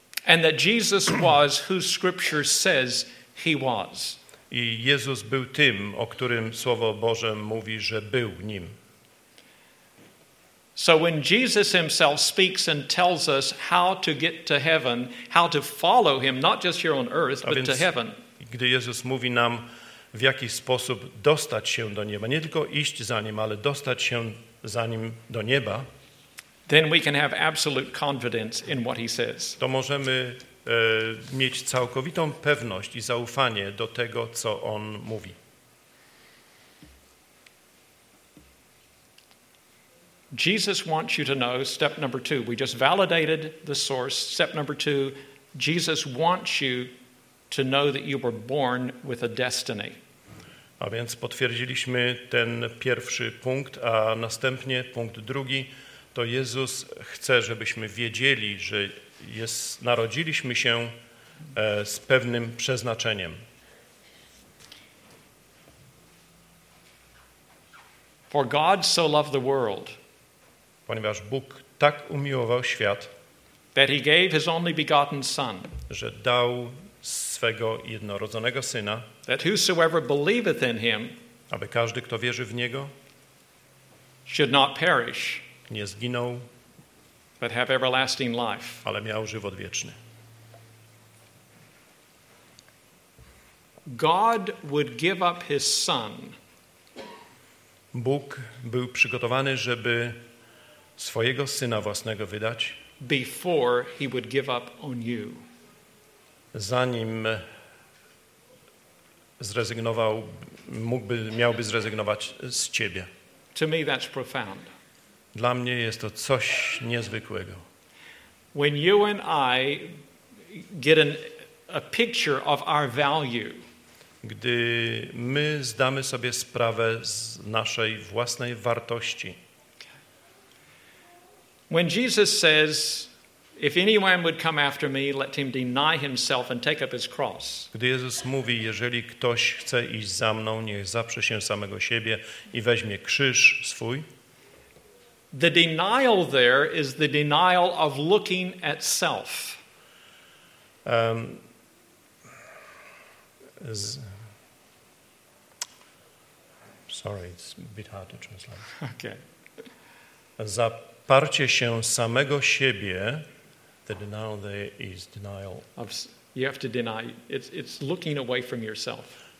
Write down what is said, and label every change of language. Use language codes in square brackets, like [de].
[en] And that Jesus was who Scripture says he was. [pl] I Jezus był tym, o którym Słowo Boże mówi, że był nim. [en] So when Jesus himself speaks and tells us how to get to heaven, how to follow him, not just here on earth, but to heaven. [pl] Gdy Jezus mówi nam, w jaki sposób dostać się do nieba, nie tylko iść za nim, ale dostać się za nim do nieba, [en] then we can have absolute confidence in what he says. [pl] To możemy mieć całkowitą pewność i zaufanie do tego, co on mówi. [en] Jesus wants you to know, step number two, we just validated the source, step number two, Jesus wants you to know that you were born with a destiny. [pl] A więc potwierdziliśmy ten pierwszy punkt, a następnie punkt drugi, to Jezus chce, żebyśmy wiedzieli, że narodziliśmy się z pewnym przeznaczeniem. [en] For God so loved the world, [pl] ponieważ Bóg tak umiłował świat, [en] that he gave his only begotten son, [pl] że dał swego jednorodzonego syna, [en] that whosoever believeth in him, [pl] aby każdy, kto wierzy w niego, [en] should not perish, [pl] nie zginął, [en] but have everlasting life, [pl] ale miał żywot wieczny. [en] God would give up his son. [pl] Bóg był przygotowany, żeby swojego syna własnego wydać. [en] Before he would give up on you. [pl] Zanim zrezygnował, mógłby, miałby zrezygnować z ciebie. [en] To me that's profound. [pl] Dla mnie jest to coś niezwykłego. [en] When you and I get a picture of our value. [pl] Gdy my zdamy sobie sprawę z naszej własnej wartości. [en] When Jesus says, if anyone would come after me, let him deny himself and take up his cross. [pl] Gdy Jezus mówi, jeżeli ktoś chce iść za mną, niech zaprze się samego siebie i weźmie krzyż swój. [en] The denial there is the denial of looking at self. Sorry, it's a bit hard to translate. Okay. [pl] Zaparcie się samego siebie, [en] the denial there is denial. You have to deny. It's looking away from yourself.